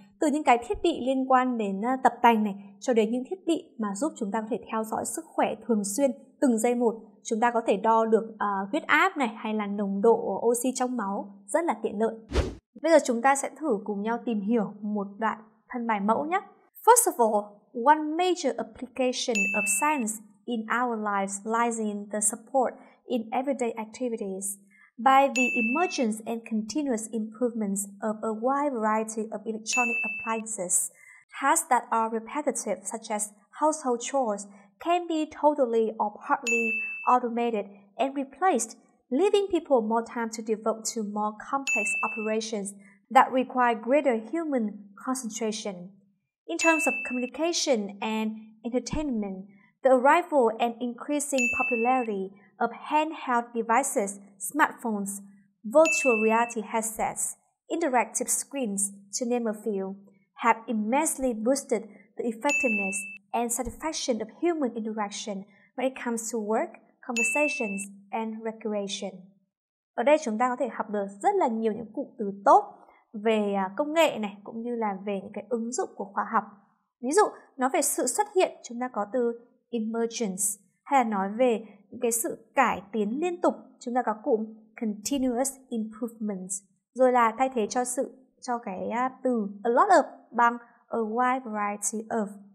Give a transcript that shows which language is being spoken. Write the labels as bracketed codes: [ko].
[vi] Từ những cái thiết bị liên quan đến tập tành này cho đến những thiết bị mà giúp chúng ta có thể theo dõi sức khỏe thường xuyên từng giây một. Chúng ta có thể đo được huyết áp này hay là nồng độ oxy trong máu rất là tiện lợi. Bây giờ chúng ta sẽ thử cùng nhau tìm hiểu một đoạn thân bài mẫu nhé. [en] First of all, one major application of science in our lives lies in the support in everyday activities. By the emergence and continuous improvements of a wide variety of electronic appliances, tasks that are repetitive, such as household chores, can be totally or partly automated and replaced, leaving people more time to devote to more complex operations that require greater human concentration. In terms of communication and entertainment, the arrival and increasing popularity of handheld devices, smartphones, virtual reality headsets, interactive screens, to name a few, have immensely boosted the effectiveness and satisfaction of human interaction when it comes to work, conversations, and recreation. [vi] Ở đây chúng ta có thể học được rất là nhiều những cụm từ tốt về công nghệ này, cũng như là về những cái ứng dụng của khoa học. Ví dụ, nói về sự xuất hiện, chúng ta có từ emergence, hay là nói về những cái sự cải tiến liên tục, chúng ta có cụm continuous improvement, rồi là thay thế cho sự cho cái từ a lot of bằng a wide variety of.